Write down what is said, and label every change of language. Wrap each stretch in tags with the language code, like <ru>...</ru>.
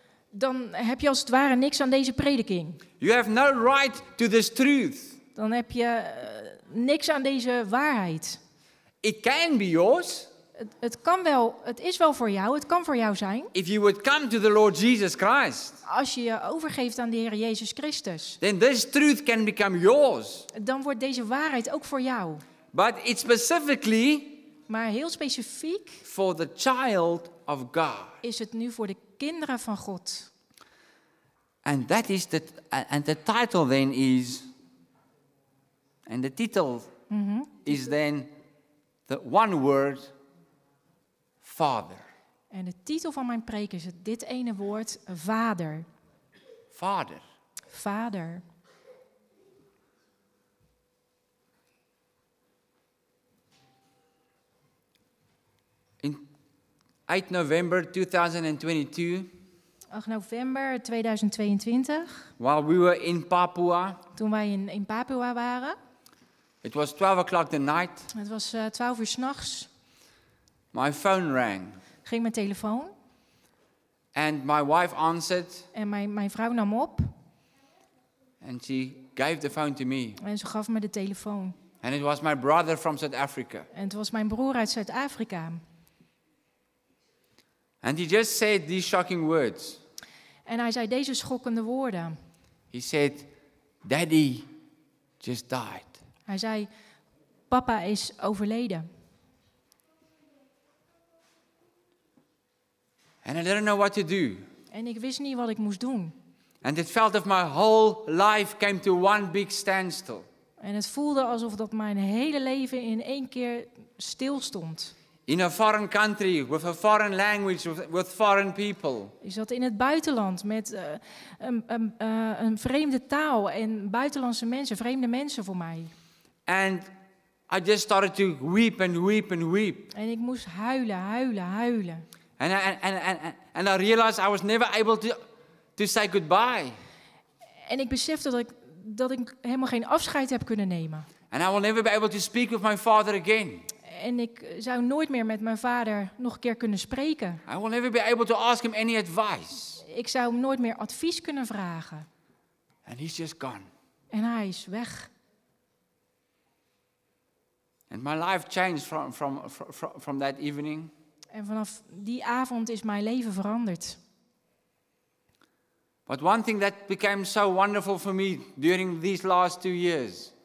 <nl>Dan heb je als het ware niks aan deze prediking.</nl> <en>You have no right to this truth.</en> <nl>Dan heb je niks aan deze waarheid.</nl> <en>It can be yours.</en> <nl>Het kan wel, het is wel voor jou, het kan voor jou zijn.</nl> <en>If you would come to the Lord Jesus Christ.</en> <nl>Als je je overgeeft aan de Heer Jezus Christus.</nl> <en>Then this truth can become yours.</en> <nl>Dan wordt deze waarheid ook voor jou.</nl> <en>But it's specifically.</en> <nl>Maar heel specifiek.</nl> <en>For the child of God.</en> <nl>Is het nu voor de kinderen van God.</nl> <en>And that is the and the title then is. And the title is then the one word. Father.</en> <nl>En de titel van mijn preek is dit ene woord, vader. Vader. Vader.</nl> <en>In 8 november 2022.</en> <nl>8 november 2022.</nl> <en>While we were in Papua.</en> <nl>Toen wij in Papua waren.</nl> <en>It was 12 o'clock the night.</en> <nl>Het was 12 uur 's nachts.</nl> <en>My phone rang.</en> <nl>Ging mijn telefoon.</nl> <en>And my wife answered.</en> <nl>En mijn vrouw nam op.</nl> <en>And she gave the phone to me.</en> <nl>En ze gaf me de telefoon.</nl> <en>And it was my brother from South Africa.</en> <nl>En het was mijn broer uit Zuid-Afrika.</nl> <en>And he just said these shocking words.</en> <nl>En hij zei deze schokkende woorden.</nl> <en>He said, Daddy just died.</en> <nl>Hij zei, papa is overleden.</nl> <en>And I didn't know what to do.</en> <nl>En ik wist niet wat ik moest doen.</nl> <en>And it felt of my whole life came to one big standstill.</en> <nl>En het voelde alsof dat mijn hele leven in één keer stil stond.</nl> <en>In a foreign country with a foreign language with foreign people.</en> <nl>Ik zat in het buitenland met een vreemde taal en buitenlandse mensen, vreemde mensen voor mij.</nl> <en>And I just started to weep and weep and weep.</en> <nl>En ik moest huilen, huilen, huilen.</nl> <en>And I realized I was never able to say goodbye.</en> <nl>En ik besefte dat ik helemaal geen afscheid heb kunnen nemen.</nl> <en>And I will never be able to speak with my father again.</en> <nl>En ik zou nooit meer met mijn vader nog een keer kunnen spreken.</nl> <en>I will never be able to ask him any advice.</en> <nl>Ik zou hem nooit meer advies kunnen vragen.</nl> <en>And he's just gone.</en> <nl>En hij is weg.</nl> <en>And my life changed from that evening.</en> <nl>En vanaf die avond is mijn leven veranderd.</nl> <en>But one thing that became so wonderful for me during these last 2 years.</en>